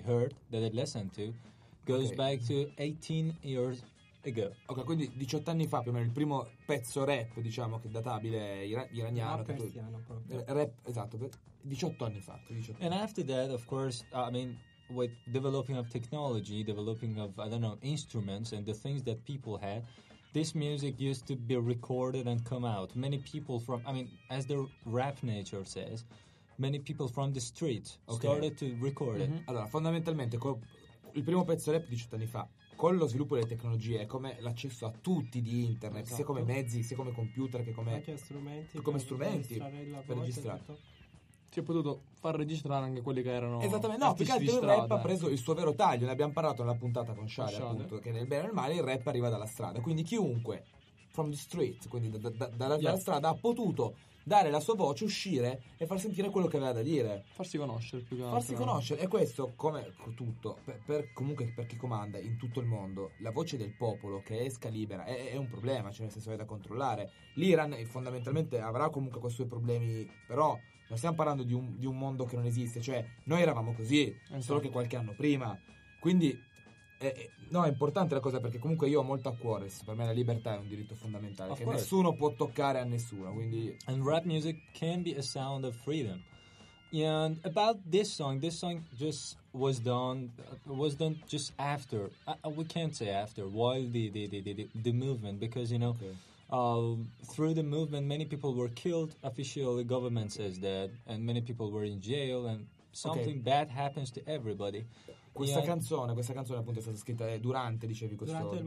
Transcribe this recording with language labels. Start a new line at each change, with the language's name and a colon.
English: That I heard, that I listened to, goes okay. Back to 18 years ago.
Italian: Ok, quindi 18 anni fa, più o meno, il primo pezzo rap, diciamo, che è databile iraniano. Persiano, proprio. Rap, esatto, 18 anni fa. 18
English: anni. And after that, of course, I mean, with developing of technology, developing of, I don't know, instruments and the things that people had, this music used to be recorded and come out. Many people from, I mean, as the rap nature says, many people from the street started to record it.
Italian: Allora, fondamentalmente, il primo pezzo rap 18 anni fa, con lo sviluppo delle tecnologie, come l'accesso a tutti di internet, esatto. Sia come mezzi, sia come computer, che come anche strumenti, come strumenti per registrare. Si è potuto far registrare anche quelli che erano. Esattamente, no, perché il rap ha preso il suo vero taglio. Ne abbiamo parlato nella puntata con Shale, appunto, che nel bene e nel male il rap arriva dalla strada. Quindi chiunque
English: from the street,
Italian: quindi dalla strada, ha potuto dare la sua voce, uscire e far sentire quello che aveva da dire, farsi conoscere più che altro. Farsi conoscere, e questo, come tutto, per comunque per chi comanda in tutto il mondo, la voce del popolo che esca libera è un problema, cioè nel senso è da controllare. L'Iran fondamentalmente avrà comunque questi suoi problemi, però non stiamo parlando di un mondo che non esiste, cioè noi eravamo così, esatto, solo che qualche anno prima. Quindi no, è importante la cosa, perché comunque io ho molto a cuore, per me la libertà è un diritto fondamentale, che nessuno può toccare a nessuno, quindi...
English: And rap music can be a sound of freedom. And about this song just was done just after, we can't say after, while the movement, because, you know, through the movement many people were killed, officially government says that, and many people were in jail, and something bad happens to everybody.
Italian: Questa canzone appunto è stata scritta durante, dicevi, questo